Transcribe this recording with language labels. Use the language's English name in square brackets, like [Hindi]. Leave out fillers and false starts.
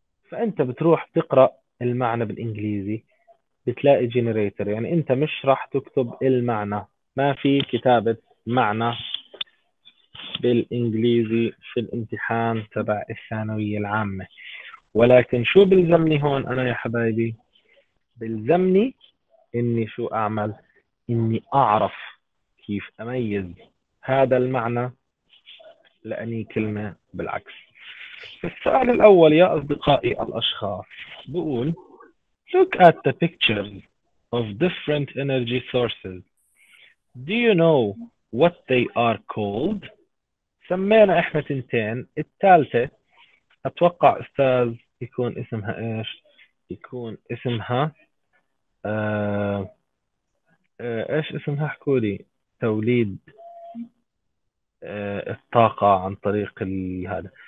[Arabic] فانت بتروح تقرأ المعنى بالانجليزي بتلاقي جينيريتور يعني انت مش راح تكتب المعنى ما في كتابة معنى بالانجليزي في الامتحان تبع الثانوية العامة ولكن شو بلزمني هون انا يا حبايبي بلزمني اني شو اعمل اني اعرف كيف أميز هذا المعنى لأني كلمة بالعكس. السؤال الأول يا أصدقائي الأشخاص بقول [English] Look at the pictures of different energy sources. Do you know what they are called? [Arabic] سمينا إحنا تنتين، الثالثة أتوقع أستاذ يكون اسمها إيش؟ يكون اسمها إيش اسمها حكولي؟ توليد الطاقة عن طريق هذا.